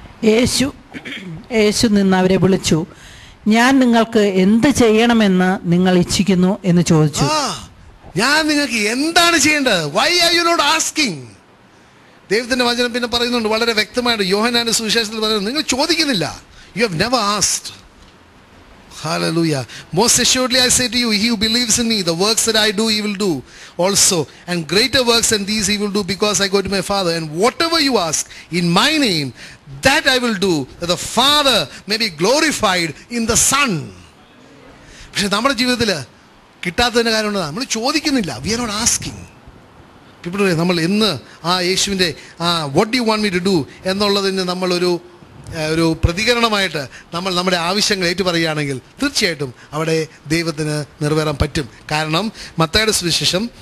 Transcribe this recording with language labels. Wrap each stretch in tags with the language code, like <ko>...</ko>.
<ml>യേശു നിന്ന് അവരെ വിളിച്ചു, ഞാൻ നിങ്ങൾക്ക് എന്ത് ചെയ്യണമെന്ന് നിങ്ങൾ ഇച്ഛിക്കുന്നു എന്ന് ചോദിച്ചു. ഞാൻ നിങ്ങൾക്ക് എന്താണ് ചെയ്യേണ്ടത്?</ml> <en>Why are you not asking?</en> <ml>ദൈവത്തിന്റെ വചനം പിന്നെ പറയുന്നുണ്ട് വളരെ വ്യക്തമായിട്ട്, യോഹന്നാന്റെ സുവിശേഷത്തിൽ പറയുന്നത്, നിങ്ങൾ ചോദിക്കുന്നില്ല.</ml> <en>You have never asked. Hallelujah. Most assuredly I say to you, he who believes in me, the works that I do, he will do also. And greater works than these he will do, because I go to my Father. And whatever you ask in my name, that I will do, that the Father may be glorified in the Son.</en> <ml>പക്ഷേ നമ്മുടെ ജീവിതത്തിൽ കിട്ടാത്തതിൻ്റെ കാര്യം ഉണ്ടാ, നമ്മൾ ചോദിക്കുന്നില്ല.</ml> <en>We are not asking.</en> <ml>ഇപ്പോൾ നമ്മൾ എന്ന് ആ യേശുവിൻ്റെ ആ</ml> <en>what do you want me to do</en> <ml>എന്നുള്ളതിന് നമ്മളൊരു ഒരു പ്രതികരണമായിട്ട് നമ്മൾ നമ്മുടെ ആവശ്യങ്ങൾ ഏറ്റു പറയുകയാണെങ്കിൽ തീർച്ചയായിട്ടും അവിടെ ദൈവത്തിന് നിറവേറാൻ പറ്റും. കാരണം മത്തായിയുടെ സുവിശേഷം</ml>